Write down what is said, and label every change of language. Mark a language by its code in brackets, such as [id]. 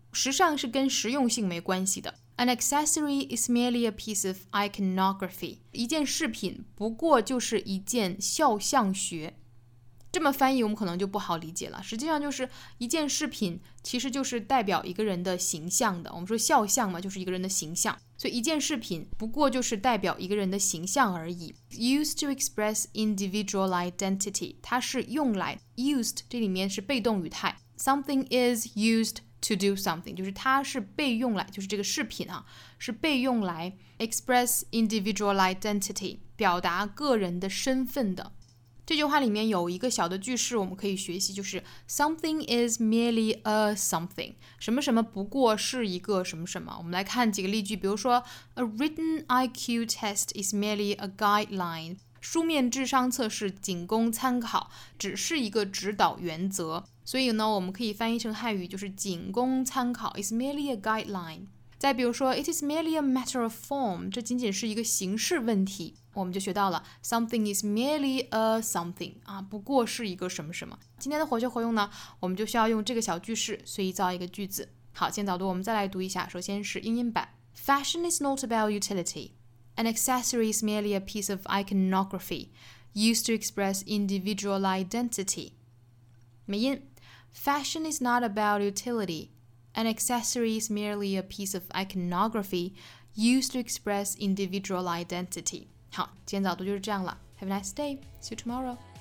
[zh] 时尚是跟实用性没关系的。 [en] An accessory is merely a piece of iconography. [zh] 一件饰品不过就是一件肖像学。这么翻译我们可能就不好理解了。实际上就是一件饰品其实就是代表一个人的形象的。我们说肖像嘛，就是一个人的形象。所以一件饰品不过就是代表一个人的形象而已。 [en] Used to express individual identity. [zh] 它是用来 used 这里面是被动语态。 [en] Something is used to do something. [zh] 就是它是被用来，就是这个饰品啊，是被用来 [en] express individual identity, [zh] 表达个人的身份的。这句话里面有一个小的句式我们可以学习，就是 [en] something is merely a something, [zh] 什么什么不过是一个什么什么。我们来看几个例句，比如说 [en] a written IQ test is merely a guideline, [zh] 书面智商测试仅供参考，只是一个指导原则。所以呢，我们可以翻译成汉语就是仅供参考， [en] is merely a guideline。 [zh] 再比如说 [en] it is merely a matter of form, [zh] 这仅仅是一个形式问题。我们就学到了 [en] something is merely a something, [zh] 不过是一个什么什么。今天的活学活用呢，我们就需要用这个小句式随意造一个句子。好，先导读我们再来读一下，首先是英音版。 [en] Fashion is not about utility. An accessory is merely a piece of iconography used to express individual identity. [zh] 美音。 [en] Fashion is not about utility. An accessory is merely a piece of iconography used to express individual identity. [zh] 好，今天早读就是这样了。 [en] Have a nice day. See you tomorrow.